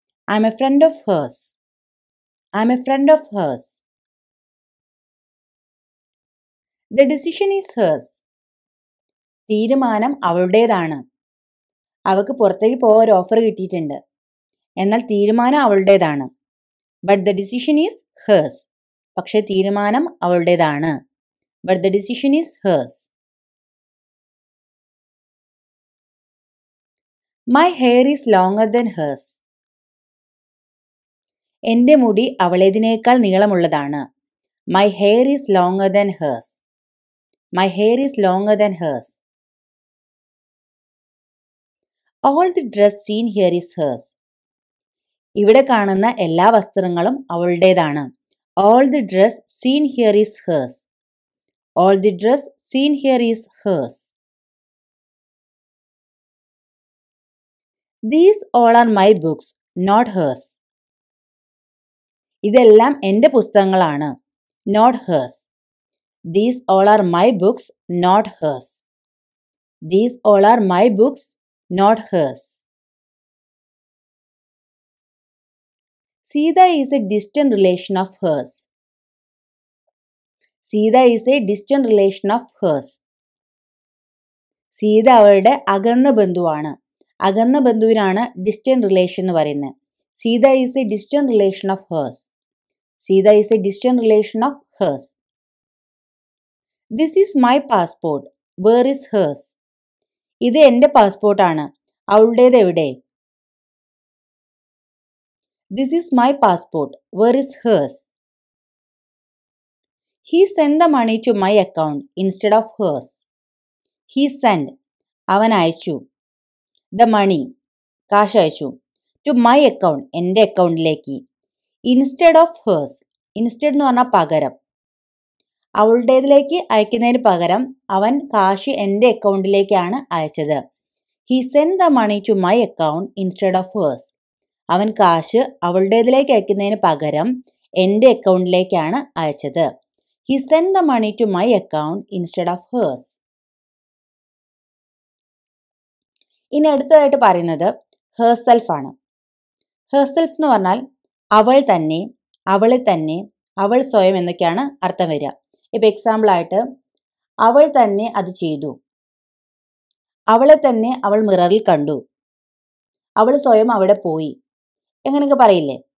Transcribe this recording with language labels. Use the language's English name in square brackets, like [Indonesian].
[English] I am a friend of hers. I am a friend of hers. The decision is hers. [Malayalam] തീരുമാനം അവളുടേതാണ്. അവൾക്ക് പുറത്തേക്ക് പോകാൻ ഒരു offer കിട്ടിയിട്ടുണ്ട്. എന്നാൽ തീരുമാനം അവളുടേതാണ്. [English] But the decision is hers. [Malayalam] പക്ഷേ തീരുമാനം അവളുടേതാണ്. [English] But the decision is hers. My hair is longer than hers. [Malayalam] എന്റെ മുടി അവളേതിനേക്കാൾ നീളമുള്ളതാണ്. [English] My hair is longer than hers. My hair is longer than hers. All the dress seen here is hers. [Malayalam] ഇവിടെ കാണുന്ന എല്ലാ വസ്ത്രങ്ങളും അവളുടേതാണ്. [English] All the dress seen here is hers. All the dress seen here is hers. These all are my books, not hers. [Malayalam] ഇതെല്ലാം എന്റെ പുസ്തകങ്ങളാണ്. [English] Not hers. These all are my books, not hers. These all are my books, not hers. Sita is a distant relation of hers. Sita is a distant relation of hers. [Malayalam] Sita അവളുടെ അകന്ന ബന്ധുവാണ്. അകന്ന ബന്ധുവിനാണ് distant relation എന്ന് പറയുന്നത്. [English] Sita is a distant relation of hers. Sita is a distant relation of hers. This is my passport. Where is hers? [Malayalam] ഇത് എന്റെ passport ആണ്. അവളുടേത് എവിടെ? [English] This is my passport. Where is hers? He sent the money to my account instead of hers. He sent. [Malayalam] അവൻ അയച്ചു. [English] The money. [Malayalam] കാശ് അയച്ചു. [English] To my account, [Malayalam] എൻ്റെ അക്കൗണ്ടിലേക്ക്. [English] Instead of hers, instead [Malayalam] എന്ന് പറഞ്ഞാൽ പകരം. അവളുടേതിലേക്ക് അയക്കുന്നതിന് പകരം അവൻ കാശ് എൻ്റെ അക്കൗണ്ടിലേക്കാണ് അയച്ചത്. [English] He sent the money to my account instead of hers. [Malayalam] അവൻ കാശ് അവളുടേതിലേക്ക് അയക്കുന്നതിന് പകരം എൻ്റെ അക്കൗണ്ടിലേക്കാണ് അയച്ചത്. [English] He sent the money to my account instead of hers. [Malayalam] ഇനി അടുത്തതായിട്ട് പറയുന്നത് ഹേഴ്സെൽഫ് ആണ്. ഹേഴ്സെൽഫ് എന്ന് പറഞ്ഞാൽ അവൾ തന്നെ, അവളെ തന്നെ, അവൾ സ്വയം എന്നൊക്കെയാണ് അർത്ഥം വരിക. ഇപ്പം എക്സാമ്പിളായിട്ട് അവൾ തന്നെ അത് ചെയ്തു, അവളെ തന്നെ അവൾ മിററിൽ കണ്ടു, അവൾ സ്വയം അവിടെ പോയി, എങ്ങനെയൊക്കെ പറയില്ലേ.